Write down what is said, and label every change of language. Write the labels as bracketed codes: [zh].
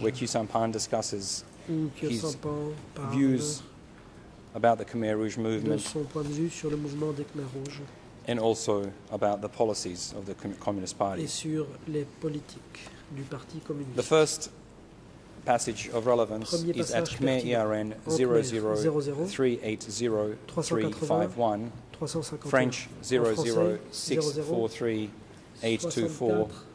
[en] where Kyo Sampan discusses his views about the Khmer Rouge movement, [fr] de son point de vue sur le mouvement des Khmer Rouges, [en] and also about the policies of the Communist Party. [fr] Et sur les politiques du Parti communiste. [en] The first passage of relevance [fr] passage [en] is at Khmer ERN 00380303351, French 00643824.